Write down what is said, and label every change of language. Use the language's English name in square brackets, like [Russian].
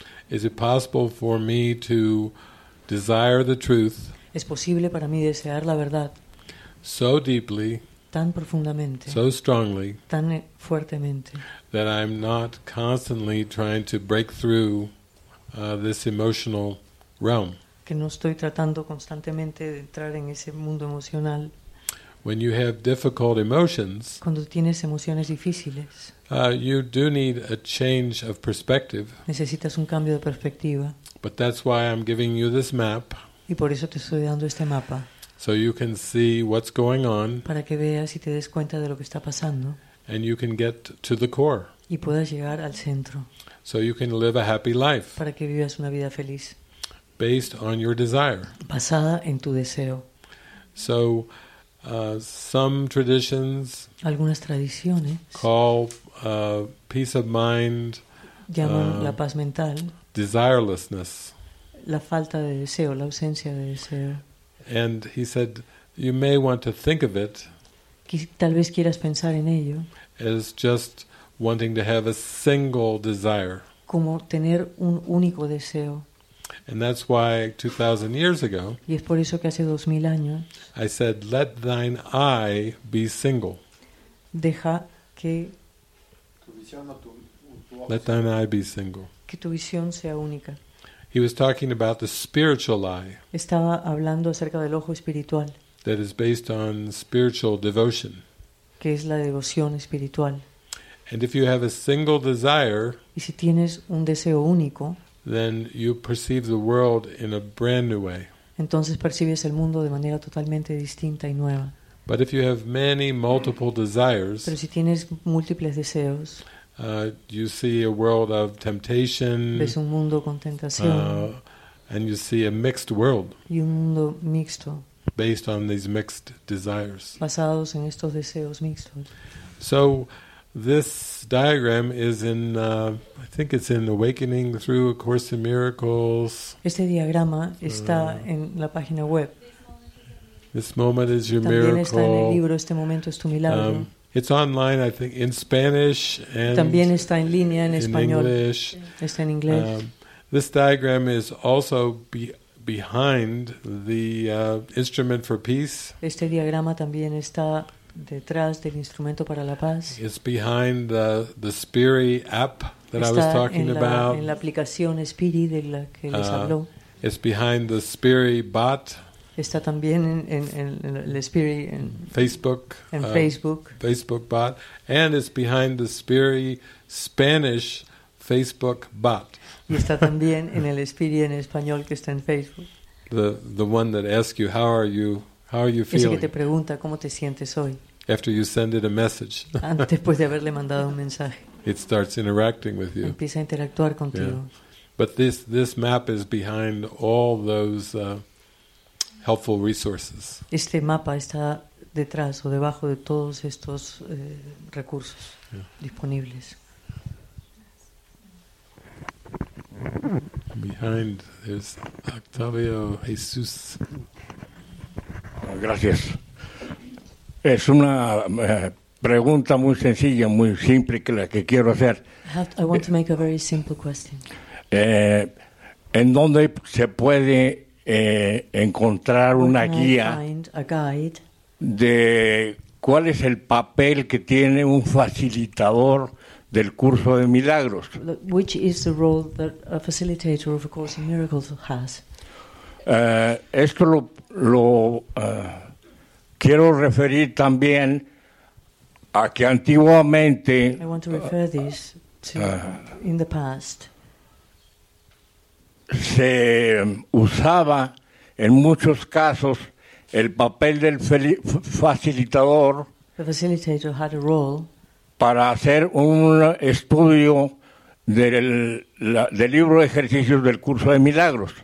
[English] Is it possible for me to desire the truth? [Spanish] ¿Es posible para mí desear la verdad? [English] So deeply, [Spanish] tan profundamente, [English] so strongly, [Spanish] tan fuertemente, [English] that I'm not constantly trying to break through this emotional realm. [Spanish] Que no estoy tratando constantemente de entrar en ese mundo emocional. [English] When you have difficult emotions, [Spanish] cuando tienes emociones difíciles, [English] you do need a change of perspective. [Spanish] Necesitas un cambio de perspectiva. [English] But that's why I'm giving you this map. [Spanish] Y por eso te estoy dando este mapa. [English] So you can see what's going on. [Spanish] Para que veas y te des cuenta de lo que está pasando. [English] And you can get to the core. [Spanish] Y puedas llegar al centro. [English] So you can live a happy life. [Spanish] Para que vivas una vida feliz. [English] Based on your desire. [Spanish] Basada en tu deseo. [English] So some traditions, [Spanish] algunas tradiciones, [English] call peace of mind, [Spanish] llaman la paz mental, [English] desirelessness, [Spanish] la falta de deseo, la ausencia de deseo. [English] And he said, you may want to think of it, [Spanish] tal vez quieras pensar en ello, [English] as just wanting to have a single desire, [Spanish] como tener un único deseo. [English] And that's why 2,000 years ago, [Spanish] y es por eso que hace 2,000 años, [English] I said, let thine eye be single. [Spanish] Deja que, [English] let thine eye be single. [Spanish] Que tu visión sea única. [English] He was talking about the spiritual eye. [Spanish] Estaba hablando acerca del ojo espiritual. [English] That is based on spiritual devotion. [Spanish] Que es la devoción espiritual. [English] And if you have a single desire, [Spanish] y si tienes un deseo único, [English] then you perceive the world in a brand new way. [Spanish] Entonces percibes el mundo de manera totalmente distinta y nueva. [English] But if you have many multiple desires, [Spanish] pero si tienes múltiples deseos, [English] you see a world of temptation, [Spanish] ves un mundo con tentación, [English] and you see a mixed world, [Spanish] y un mundo mixto, [English] based on these mixed desires, [Spanish] basados en estos deseos mixtos. [English] So this diagram is in, I think it's in Awakening Through A Course in Miracles. [Spanish] Este diagrama está en la página web. [English] This moment is your [Spanish] también [English] miracle. [Spanish] También está en el libro. Este momento es tu milagro. [English] It's online, I think, in Spanish and [Spanish] también está en línea en [English] in [Spanish] español. [English] English. [Spanish] Está en inglés. [English] This diagram is also behind the instrument for peace. [Spanish] Este diagrama también está detrás del instrumento para la paz. [English] It's behind the Spiri app that [Spanish] está [English] I was talking [Spanish] en la, [English] about. [Spanish] En la aplicación Spiri de la que les habló. [English] It's behind the Spiri bot. [Spanish] Está también en el Spiri en [English] Facebook. [Spanish] En Facebook. [English] Facebook bot. And it's behind the Spiri Spanish Facebook bot. [Spanish] Y está también en el Spiri en español que está en Facebook. [English] The one that asks you, how are you? How are you feeling? [Spanish] Ese que te pregunta cómo te sientes hoy. [English] After you send it a message. [Spanish] Después de haberle mandado un mensaje. [English] It starts interacting with you. [Spanish] Empieza a interactuar contigo. Yeah. [English] But this map is behind all those helpful resources. [Spanish] Este mapa está detrás o debajo de todos estos recursos disponibles. [English] Behind there's Octavio Jesus. [Spanish] Gracias. Es una pregunta muy sencilla, muy simple que la que quiero hacer. [English] I want to make a very simple question. [Spanish] ¿En dónde se puede encontrar una guía de cuál es el papel que tiene un facilitador del curso de milagros. [English] Which is the role that a facilitator of a course in miracles has? [Spanish] Esto quiero referir también a que antiguamente. [English] I want to refer this to in the past. [Spanish] Se usaba en muchos casos el papel del facilitador. [English] The facilitator had a role. [Spanish] Para hacer un estudio del libro de ejercicios del curso de milagros.